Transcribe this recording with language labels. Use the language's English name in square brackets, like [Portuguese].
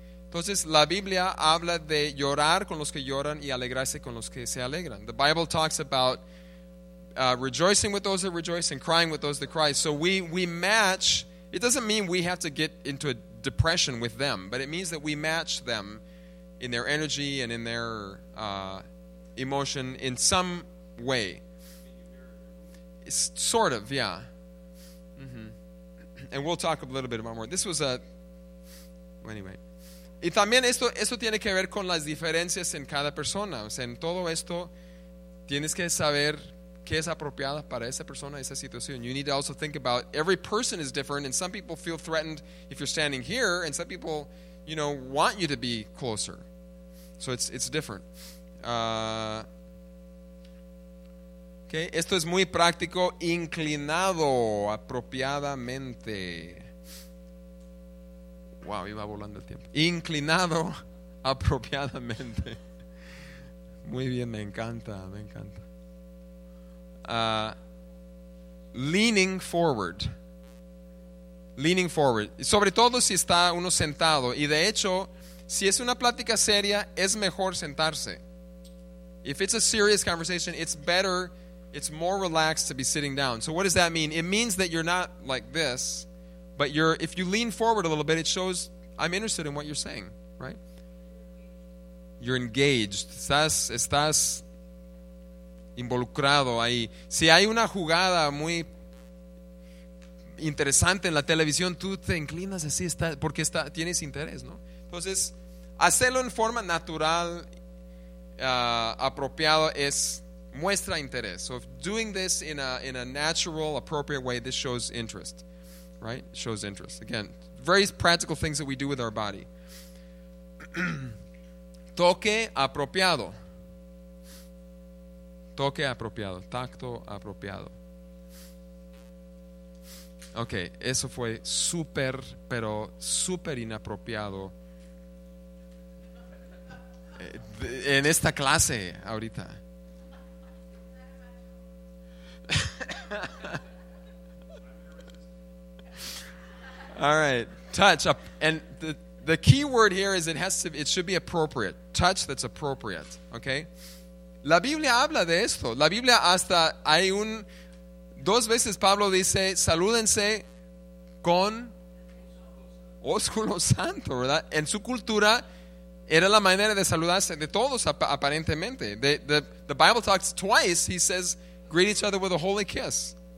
[Spanish] Entonces la Biblia habla de llorar con los que lloran y alegrarse con los que se alegran. [English] The Bible talks about rejoicing with those that rejoice and crying with those that cry. So we match. It doesn't mean we have to get into a depression with them, but it means that we match them in their energy and in their emotion in some way. Sort of, yeah. Mm-hmm. And we'll talk a little bit about more. This was a... Anyway. [Spanish] Y también esto tiene que ver con las diferencias en cada persona. O sea, en todo esto tienes que saber qué es apropiada para esa persona, esa situación. [English] You need to also think about every person is different, and some people feel threatened if you're standing here, and some people, you know, want you to be closer. So it's different. [Spanish] Okay, esto es muy práctico, inclinado apropiadamente. Wow, iba volando el tiempo. Inclinado apropiadamente. Muy bien, me encanta, me encanta. [English] Leaning forward. Leaning forward. [Spanish] Sobre todo si está uno sentado. Y de hecho, si es una plática seria, es mejor sentarse. [English] If it's a serious conversation, it's better, it's more relaxed to be sitting down. So what does that mean? It means that you're not like this, but you're, if you lean forward a little bit, it shows I'm interested in what you're saying, right? You're engaged. [Spanish] Estás involucrado ahí. Si hay una jugada muy interesante en la televisión, tú te inclinas así, porque tienes interés, ¿no? Entonces, hacerlo en forma natural, apropiado, es muestra interés. [English] So if doing this in a natural, appropriate way, this shows interest, right? Shows interest. Again, very practical things that we do with our body. [Spanish] Toque apropiado. Toque apropiado. Tacto apropiado. Okay, eso fue súper, pero súper inapropiado en esta clase ahorita. [English] All right, touch up, and the key word here is it should be appropriate. Touch that's appropriate. [Spanish] Okay, la Biblia habla de esto. La Biblia hasta hay un dos veces Pablo dice salúdense con ósculo santo, ¿verdad? En su cultura era la manera de saludarse de todos, aparentemente. [English] The Bible talks twice. He says, greet each other with a holy kiss.